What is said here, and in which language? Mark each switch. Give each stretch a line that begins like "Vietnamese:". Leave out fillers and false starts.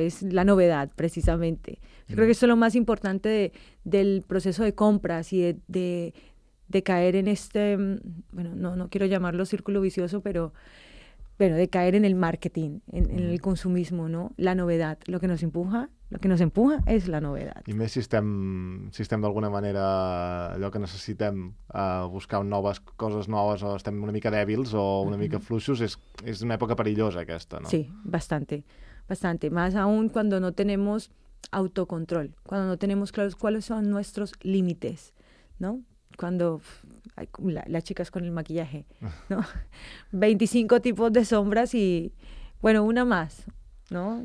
Spanish: Es la novedad, precisamente. Yo creo que eso es lo más importante del proceso de compras y de caer en este... Bueno, no quiero llamarlo círculo vicioso, pero bueno, de caer en el marketing, en el consumismo, ¿no? La novedad. Lo que nos empuja es la novedad.
Catalan: I més si estem d'alguna manera allò que necessitem buscar noves coses noves o estem una mica dèbils o una mica fluixos, és una època perillosa aquesta, no?
Spanish: Sí, bastante, bastante. Más aún cuando no tenemos autocontrol, cuando no tenemos claros cuáles son nuestros límites, ¿no? Cuando las chicas con el maquillaje, ¿no? 25 tipos de sombras y, bueno, una más, ¿no?